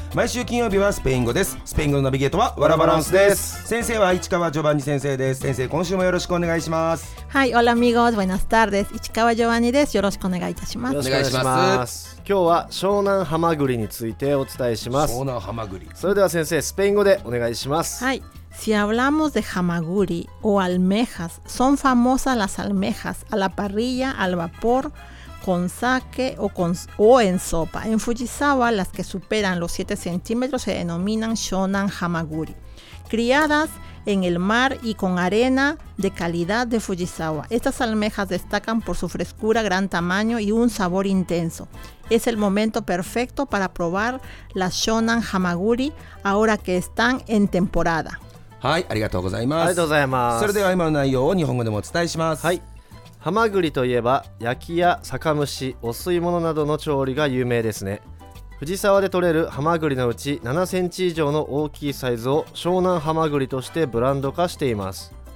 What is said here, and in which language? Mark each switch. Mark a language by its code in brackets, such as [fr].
[ja] 毎週金曜日はスペイン語です。スペイン語のナビゲートはワラバランスです。先生は市川ジョバンニ先生です。先生、今週もよろしくお願いします。はい、オラミゴーズ、バイナスターです。市川ジョバンニです。よろしくお願いいたします。お願いします。今日は湘南ハマグリについてお伝えします。湘南ハマグリ、それでは先生、スペイン語でお願いします。 [es] はい、Si hablamos de hamaguri o almejas, son famosas las almejas a la parrilla, al vapor, con sake o en sopa. En Fujisawa, las que superan los 7 centímetros se denominan shonan hamaguri. Criadas en el mar y con arena de calidad de Fujisawa, estas almejas destacan por su frescura, gran tamaño y un sabor intenso. Es el momento perfecto para probar las shonan hamaguri ahora que están en temporada. [ja] はい、ありがとうございます。ありがとうございます。それでは今の内容を日本語でもお伝えします。はい、ハマグリといえば焼きや酒蒸し、お吸い物などの調理が有名ですね。藤沢で取れるハマグリのうち7センチ以上の大きいサイズを湘南ハマグリとしてブランド化しています。